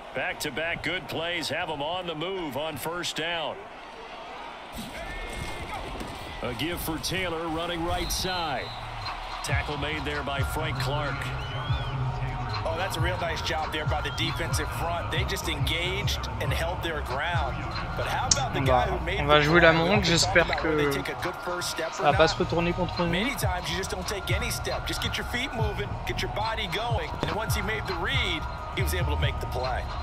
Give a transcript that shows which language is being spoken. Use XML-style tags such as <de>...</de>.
<en>Back-to-back good plays have him on the move on first down. A give for Taylor running right side. Tackle made there by Frank Clark. Oh, that's a real nice job there by the defensive front. They just engaged and held their ground. But how about the guy who made</en> <fr>on va jouer la montre, j'espère que ça va pas se retourner contre nous.</fr> <en>Many times you just don't take any step. Just get your feet moving, get your body going. And once he made the read, he was able to make the play.</en>